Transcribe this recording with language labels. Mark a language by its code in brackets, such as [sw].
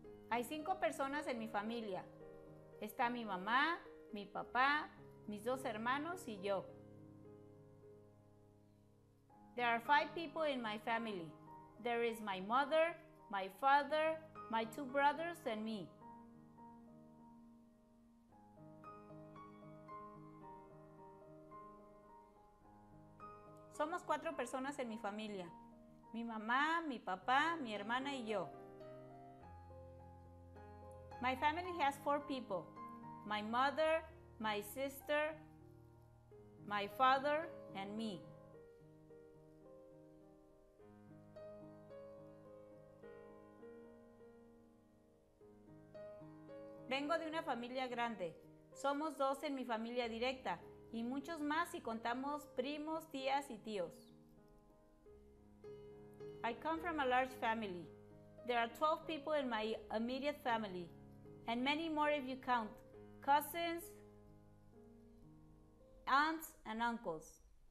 [es] Hay 5 personas en mi familia. Está mi mamá, mi papá, mis 2 hermanos y yo. [en] There are 5 people in my family. There is my mother, my father, my 2 brothers and me. [es] Somos 4 personas en mi familia. Mi mamá, mi papá, mi hermana y yo. [en] My family has 4 people, my mother, my sister, my father, and me. [es] Vengo de una familia grande. Somos dos en mi familia directa y muchos más si contamos primos, tías y tíos. [en] I come from a large family. There are 12 people in my immediate family, and many more if you count cousins, aunts, and uncles.